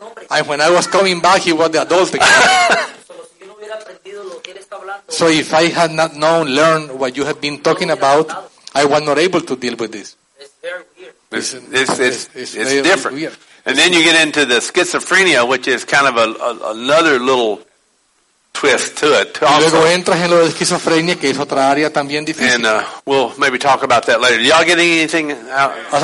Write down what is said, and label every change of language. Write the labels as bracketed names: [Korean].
[English] And when I was coming back, he was the adult again. So if I had not known, learned what you have been talking about, I was not able to deal with this. It's different. And then you get into the schizophrenia, which is kind of another little twist to it. [Spanish] Luego entras en lo de esquizofrenia, que es otra área también difícil. [English] And we'll maybe talk about that later. Do y'all get anything out?